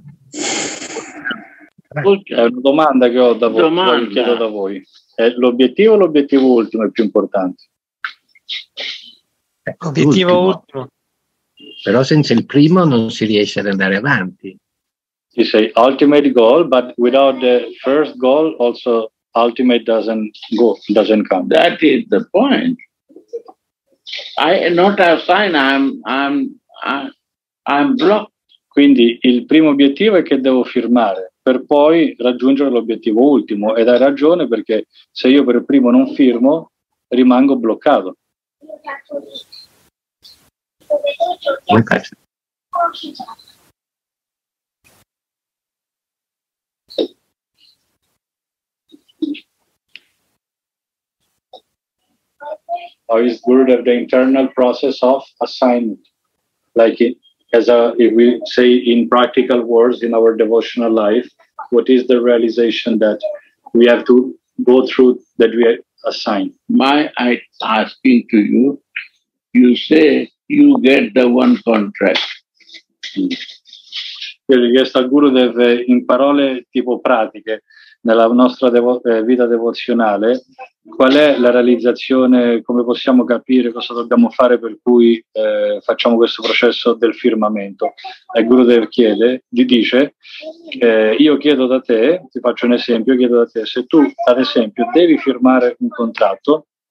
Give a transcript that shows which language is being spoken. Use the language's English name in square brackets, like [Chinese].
[Italian] È una domanda che ho da voi, chiedo da voi. È l'obiettivo o l'obiettivo ultimo è più importante? Obiettivo ultimo. Però senza il primo non si riesce ad andare avanti. [English] You say ultimate goal, but without the first goal also ultimate doesn't go, doesn't come. That is the point. I am not assigned, I'm blocked. [Italian] Quindi il primo obiettivo è che devo firmare per poi raggiungere l'obiettivo ultimo, ed hai ragione, perché se io per primo non firmo rimango bloccato. [English] Okay. How is good at the internal process of assignment, like it, as a, if we say in practical words in our devotional life, what is the realization that we have to go through that we assign? My, I asking to you, you say you get the one contract. [Italian] Io chiesto al Gurudev in parole tipo pratiche nella nostra vita devozionale, qual è la realizzazione, come possiamo capire cosa dobbiamo fare per cui facciamo questo processo del firmamento. E Gurudev chiede, gli dice, io chiedo da te, ti faccio un esempio, chiedo da te, se tu ad esempio devi firmare un contratto,